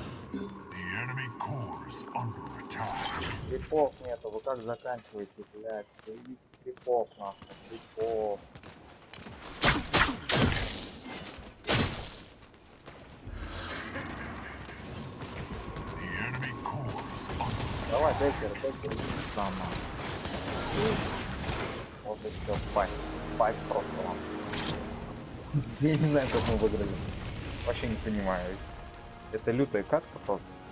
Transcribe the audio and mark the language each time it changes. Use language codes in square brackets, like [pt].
[en] The enemy core is under attack. [ru] Крипов нету, вы как заканчиваете, блядь? Крипов нахуй, крипов. [en] The enemy core is under attack. [ru] Давай, Декер, Декер, иди сам, нахуй. Вот и всё, файт. Файт просто вам. Я не знаю, как мы выиграли. Вообще не понимаю. Это лютая катка просто.